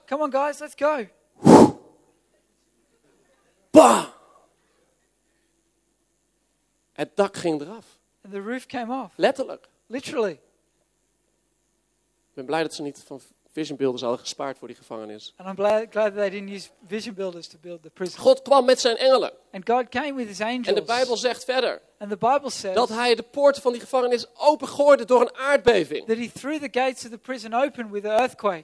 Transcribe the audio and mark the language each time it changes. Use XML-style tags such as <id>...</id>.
<en>Come on guys, let's go. Bah!</en> <nl>Het dak ging eraf.</nl> <en>And the roof came off.</en> <nl>Letterlijk.</nl> <en>Literally.</en> <nl>Ik ben blij dat ze niet van vision builders hadden gespaard voor die gevangenis.</nl> <en>And I'm glad that they didn't use vision builders to build the prison.</en> <nl>God kwam met zijn engelen.</nl> <en>And God came with his angels.</en> <nl>En de Bijbel zegt verder.</nl> <en>And the Bible says</en> <nl>dat hij de poorten van die gevangenis opengooide door een aardbeving.</nl> <en>That he threw the gates of the prison open with an earthquake.</en>